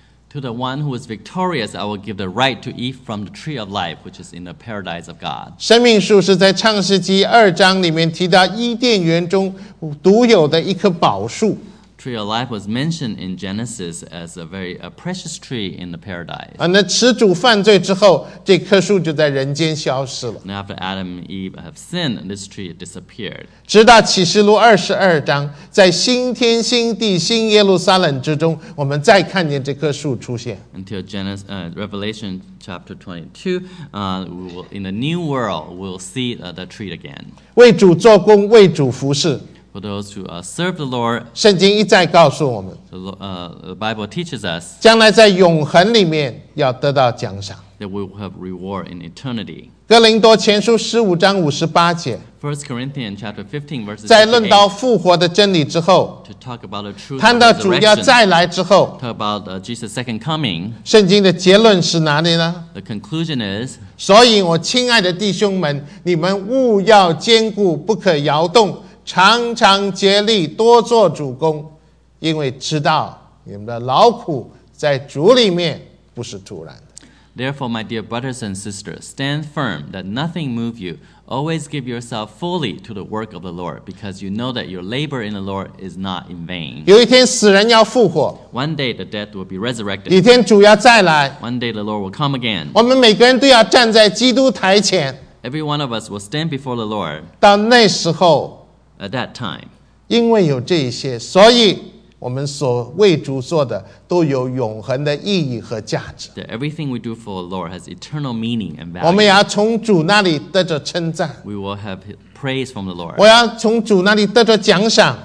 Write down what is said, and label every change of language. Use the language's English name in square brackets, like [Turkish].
[English] To the one who is victorious, I will give the right to eat from the tree of life, which is in the paradise of God. [Chinese] 生命树是在创世纪二章里面提到伊甸园中独有的一棵宝树。 [English] Tree of life was mentioned in Genesis as a very precious tree in the paradise. [Chinese] 那始祖犯罪之后，这棵树就在人间消失了。 [English] Now after Adam and Eve have sinned, this tree disappeared. [Chinese] 直到启示录二十二章，在新天新地新耶路撒冷之中，我们再看见这棵树出现。 [English] Until Genesis, Revelation chapter 22, we will, in the new world, we'll see the tree again. [Chinese] 为主做工，为主服事。 [English] For those who serve the Lord, [Chinese] 圣经一再告诉我们 [English] the Bible teaches us, [Chinese] 将来在永恒里面要得到奖赏 [English] that we will have reward in eternity. [Chinese] 哥林多前书十五章五十八节 [English] First Corinthians chapter 15 verses [Chinese] 在论到复活的真理之后 [English] to talk about the truth [Chinese] 谈到主要再来之后 [English] talk about Jesus' second coming. [Chinese] 圣经的结论是哪里呢 [English] The conclusion is, [Chinese] 所以我亲爱的弟兄们，你们务要坚固，不可摇动。常常竭力多做主工，因为知道你们的劳苦在主里面不是突然的。 [English] Therefore, my dear brothers and sisters, stand firm, that nothing move you. Always give yourself fully to the work of the Lord, because you know that your labor in the Lord is not in vain. [Chinese] 有一天死人要复活。 [English] One day the dead will be resurrected. [Chinese] 一天主要再来。 [English] One day the Lord will come again. [Chinese] 我们每个人都要站在基督台前。 [English] Every one of us will stand before the Lord. [Chinese] 到那时候。 [English] At that time, [Chinese] 因为有这些，所以我们所为主做的都有永恒的意义和价值。 [English] That everything we do for the Lord has eternal meaning and value. [Chinese] 我们要从主那里得着称赞。 [English] We will have praise from the Lord. [Chinese] 我要从主那里得着奖赏。